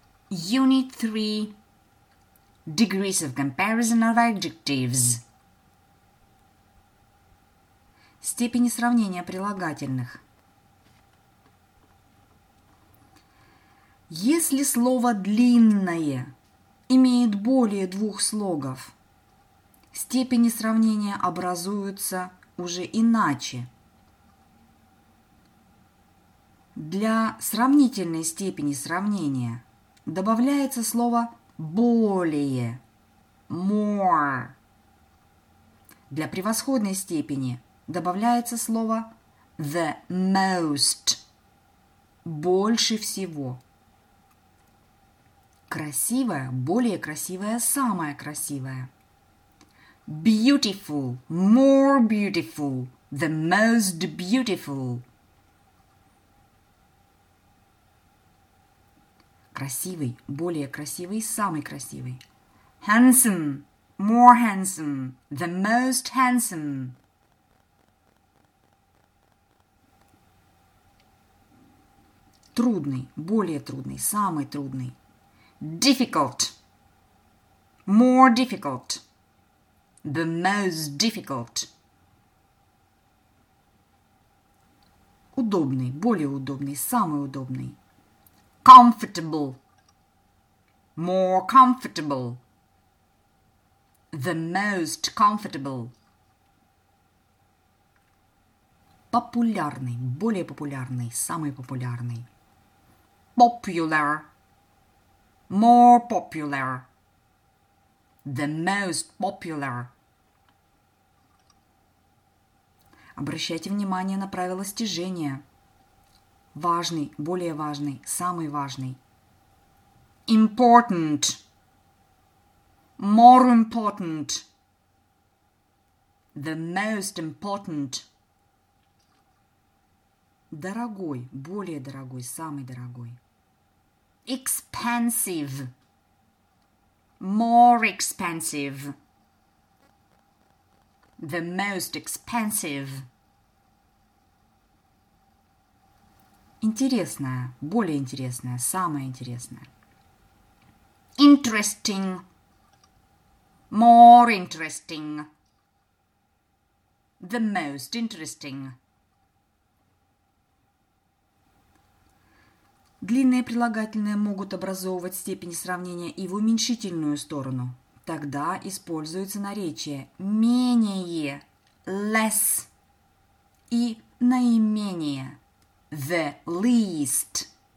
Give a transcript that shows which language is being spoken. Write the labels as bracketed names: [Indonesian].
[English] Unit 3, degrees of comparison of adjectives. [Russian] Степени сравнения прилагательных. Если слово «длинное» имеет более двух слогов, степени сравнения образуются уже иначе. Для сравнительной степени сравнения добавляется слово «более» – [English] «more». [Russian] Для превосходной степени добавляется слово [English] «the most» [Russian] – «больше всего». Красивая, более красивая, самая красивая. [English] Beautiful, more beautiful, the most beautiful. [Russian] Красивый, более красивый, самый красивый. [English] Handsome, more handsome, the most handsome. [Russian] Трудный, более трудный, самый трудный. [English] Difficult, more difficult, the most difficult. [Russian] Удобный, более удобный, самый удобный. [English] Comfortable, more comfortable, the most comfortable. [Russian] Популярный, более популярный, самый популярный. [English] Popular. More popular, the most popular. [Russian] Обращайте внимание на правила стяжения. Важный, более важный, самый важный. [English] Important, more important, the most important. [Russian] Дорогой, более дорогой, самый дорогой. [English] Expensive, more expensive, the most expensive. [Russian] Интересная, более интересная, самая интересная. [English] Interesting, more interesting, the most interesting. [Russian] Длинные прилагательные могут образовывать степень сравнения и в уменьшительную сторону. Тогда используется наречие «менее» – [English] «less» [Russian] и «наименее» – [English] «the least».